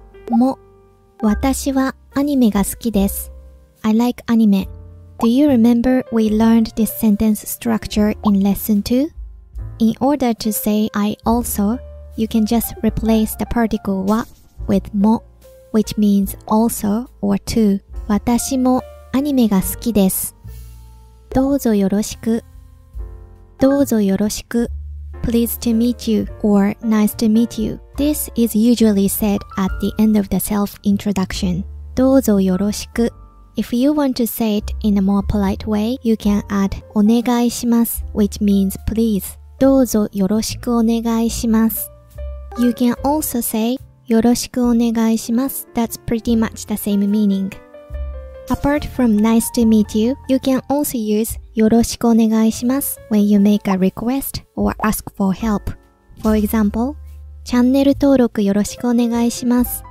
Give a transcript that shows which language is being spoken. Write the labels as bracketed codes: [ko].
[ja] も、私はアニメが好きです。 [en] I like anime. Do you remember we learned this sentence structure in lesson 2? In order to say I also, you can just replace the particle wa with mo, which means also or to. [ja] 私もアニメが好きです。どうぞよろしく。どうぞよろしく。 [en] Pleased to meet you or nice to meet you. This is usually said at the end of the self-introduction. [ja] どうぞよろしく。 [en] If you want to say it in a more polite way, you can add [ja] お願いします, [en] which means please. [ja] どうぞよろしくお願いします。 [en] You can also say, [ja] よろしくお願いします。 [en] That's pretty much the same meaning. Apart from nice to meet you, you can also use, [ja] よろしくお願いします [en] when you make a request or ask for help. For example, [ja] チャンネル登録よろしくお願いします。